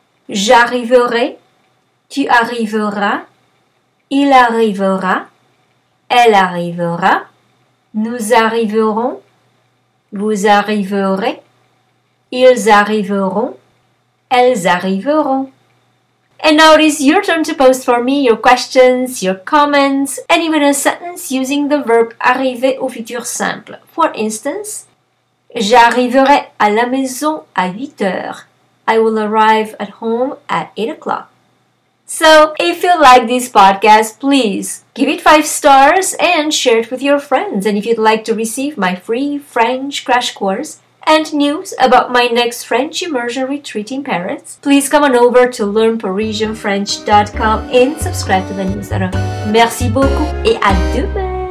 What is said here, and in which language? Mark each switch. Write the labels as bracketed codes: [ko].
[fr] J'arriverai, tu arriveras, il arrivera, elle arrivera, nous arriverons, vous arriverez, ils arriveront, elles arriveront. [en] And now it is your turn to post for me your questions, your comments, and even a sentence using the verb arriver au futur simple. [fr] For instance, j'arriverai à la maison à 8 heures. [en] I will arrive at home at 8 o'clock. So, if you like this podcast, please give it 5 stars and share it with your friends. And if you'd like to receive my free French crash course, and news about my next French immersion retreat in Paris, please come on over to learnparisianfrench.com and subscribe to the newsletter. Merci beaucoup et à demain!